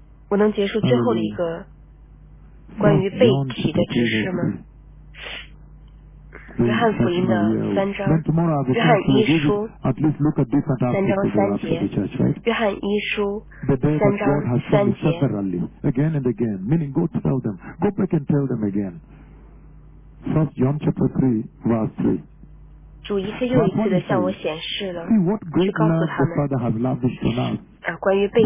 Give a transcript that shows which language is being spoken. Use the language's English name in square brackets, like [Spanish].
[Chinese] 我能结束最后的一个关于背体的知识吗？约翰福音的三章，约翰一书三章三节，约翰一书三章三节。 [English] Again and again, meaning go to tell them, go back and tell them again. First John chapter three, verse three. [Chinese] 主一次又一次地向我显示了，去告诉他们，关于背